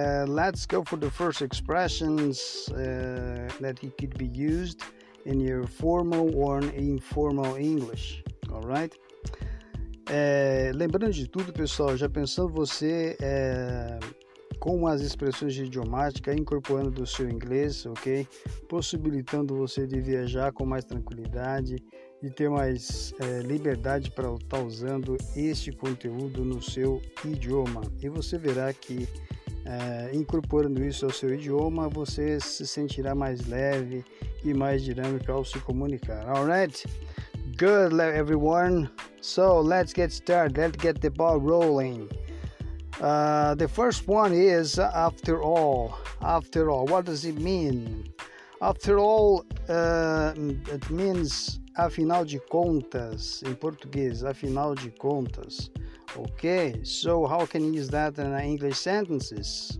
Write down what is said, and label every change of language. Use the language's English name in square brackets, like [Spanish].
[English] Let's go for the first expressions that he could be used in your formal or informal English. Alright? [Portuguese] Lembrando de tudo, pessoal, já pensou você com as expressões idiomáticas incorporando do seu inglês, ok? Possibilitando você de viajar com mais tranquilidade e ter mais liberdade para estar usando este conteúdo no seu idioma. E você verá que incorporando isso ao seu idioma, você se sentirá mais leve e mais dinâmico ao se comunicar. [English] All right? Good, everyone. So, let's get started. Let's get the ball rolling. The first one is after all. After all. What does it mean? After all, it means [Portuguese] afinal de contas, em português, afinal de contas. [English] Okay, so how can you use that in English sentences?